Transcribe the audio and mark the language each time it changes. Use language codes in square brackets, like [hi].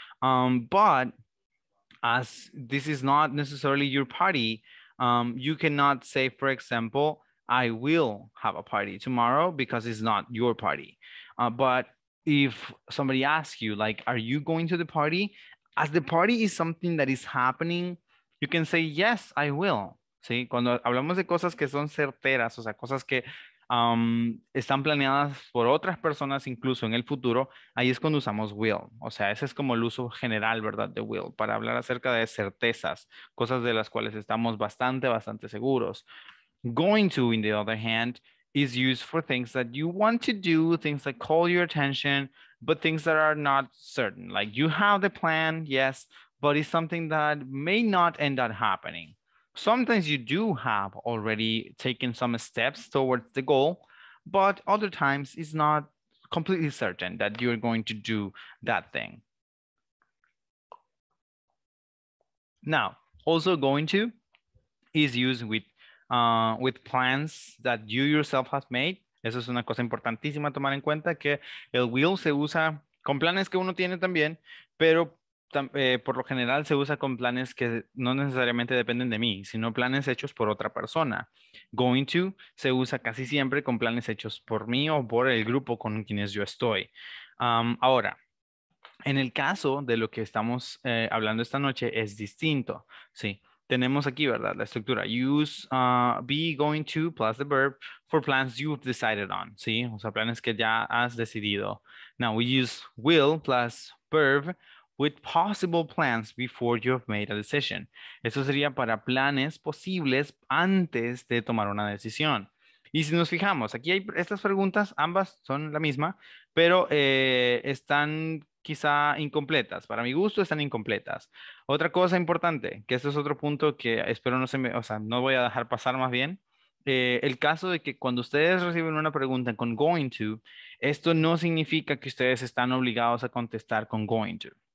[en] But as this is not necessarily your party, you cannot say, for example, I will have a party tomorrow because it's not your party. But if somebody asks you, like, are you going to the party? As the party is something that is happening, you can say, yes, I will. [es] ¿Sí? Cuando hablamos de cosas que son certeras, o sea, cosas que están planeadas por otras personas incluso en el futuro, ahí es cuando usamos will. O sea, ese es como el uso general, ¿verdad?, de will, para hablar acerca de certezas, cosas de las cuales estamos bastante, bastante seguros. [en] Going to, in the other hand, is used for things that you want to do, things that call your attention, but things that are not certain. Like, you have the plan, yes, but it's something that may not end up happening. Sometimes you do have already taken some steps towards the goal, but other times it's not completely certain that you're going to do that thing. Now, also going to is used with plans that you yourself have made. [es] Eso es una cosa importantísima tomar en cuenta, que el will se usa con planes que uno tiene también, pero por lo general se usa con planes que no necesariamente dependen de mí, sino planes hechos por otra persona. Going to se usa casi siempre con planes hechos por mí o por el grupo con quienes yo estoy. Ahora, en el caso de lo que estamos hablando esta noche es distinto. Sí, tenemos aquí, ¿verdad?, la estructura. [en] Use be going to plus the verb for plans you've decided on. [es] Sí, o sea, planes que ya has decidido. [en] Now, we use will plus verb with possible plans before you have made a decision. [es] Eso sería para planes posibles antes de tomar una decisión. Y si nos fijamos, aquí hay estas preguntas, ambas son la misma, pero están quizá incompletas. Para mi gusto, están incompletas. Otra cosa importante, que esto es otro punto que espero no se me, o sea, no voy a dejar pasar más bien, el caso de que cuando ustedes reciben una pregunta con going to, esto no significa que ustedes están obligados a contestar con going to.